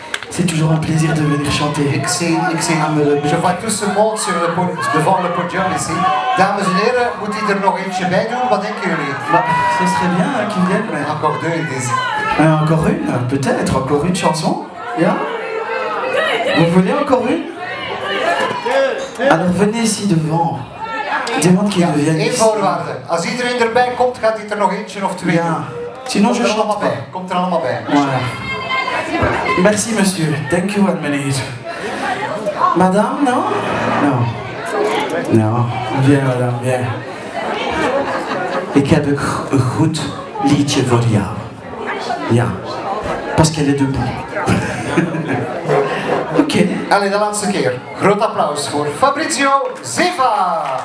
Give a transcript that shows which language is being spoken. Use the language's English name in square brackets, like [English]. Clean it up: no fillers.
[French] C'est toujours un plaisir de venir chanter. [Dutch] Ik zie Meulebeke. [French] Je vois tout ce monde sur le devant le podium ici. [Dutch] Dames en heren, moet ie er nog eentje bij doen? Wat denken jullie? [French] Ce serait bien qu'il vienne. Mais... Encore deux, ils disent. Encore une, peut-être. Encore une chanson. Yeah? Vous voulez encore une? Alors venez ici devant. Demande qu'il vienne. [Dutch] Eén voorwaarde. Als iedereen erbij komt, gaat hij er nog eentje of twee. [French] Ja. Sinon, je chante pas. [Dutch] Komt er allemaal bij. [French] Ouais. Merci, monsieur. [English] Thank you, [French] meneer. Madame, non? Non. Nou, bien madame, bien. [Dutch] Ik heb een goed liedje voor jou. [French] Ja, parce qu'elle est debout. [Dutch] Oké. Allez, de laatste keer. Groot applaus voor Fabricio Zeva.